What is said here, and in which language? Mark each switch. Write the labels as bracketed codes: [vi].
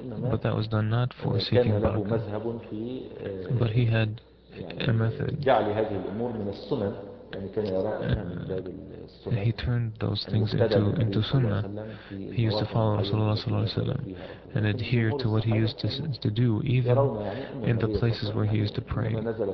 [en] but that was done not for seeking barakah but he had a method [ar] جعل هذه الامور من السنن يعني كان يراها من باب السنن [en] he turned those things into sunnah he used to follow Rasulullah صلى الله عليه وسلم and adhere to what he used to do even in the places where he used to pray but